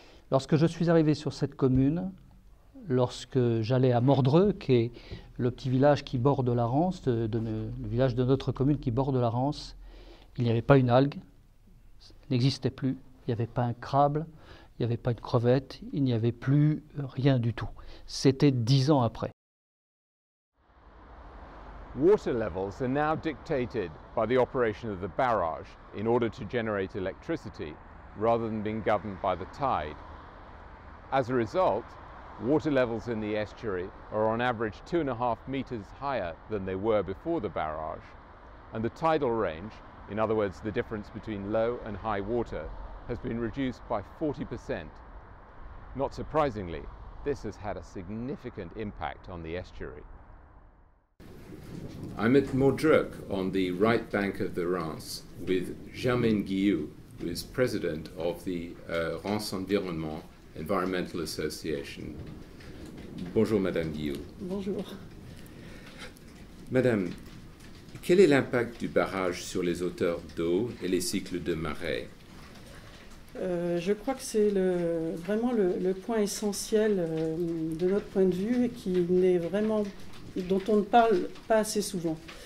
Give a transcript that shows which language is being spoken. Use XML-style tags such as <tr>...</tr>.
<fr>Lorsque je suis arrivé sur cette commune, lorsque j'allais à Mordreux, qui est le petit village qui borde la Rance, le village de notre commune qui borde la Rance, il n'y avait pas une algue. n'existait plus. Il n'y avait pas un crabe, il n'y avait pas une crevette, il n'y avait plus rien du tout. C'était 10 ans après.</fr> <en>Water levels are now dictated by the operation of the barrage in order to generate electricity rather than being governed by the tide. As a result, water levels in the estuary are on average 2.5 meters higher than they were before the barrage, and the tidal range, in other words, the difference between low and high water, has been reduced by 40%. Not surprisingly, this has had a significant impact on the estuary. I'm at Maudreuc on the right bank of the Rance with Germaine Guillou, who is president of the Rance Environnement Environmental Association.</en> <fr>Bonjour, Madame Guillou. Bonjour. Madame, quel est l'impact du barrage sur les hauteurs d'eau et les cycles de marée? Je crois que c'est vraiment le point essentiel de notre point de vue et qui n'est vraiment dont on ne parle pas assez souvent.</fr>